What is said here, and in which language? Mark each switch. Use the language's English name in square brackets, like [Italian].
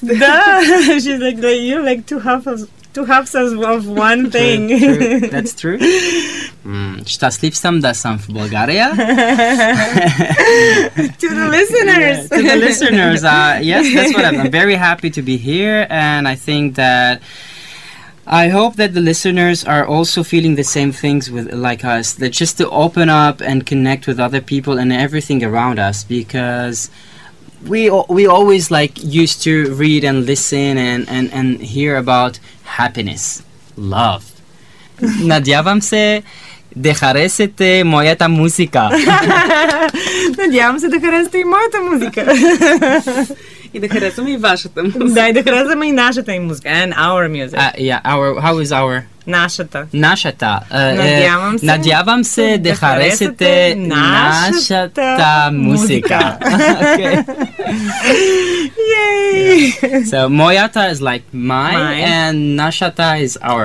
[English] Да, she's like, you're like two halves of one thing. That's true. [Bulgarian] Щастлив съм да съм в България. [English] To the listeners. Yeah, to the listeners. Yes, that's what I'm very happy to be here. And I think that I hope that the listeners are also feeling the same things with like us. That just to open up and connect with other people and everything around us. Because we always like used to read and listen and hear about happiness, love. [Bulgarian] Надявам се да харесате моята музика. Надявам се да харесате и моята музика. И да харесаме и вашата музика. Да, и да харесаме и нашата музика. [English] And our music. How is our? [Bulgarian] Нашата. Нашата. Надявам се. Надявам се да харесате нашата музика. [English] Okay. Yay! Yeah. So, моята is like mine. And нашата is our.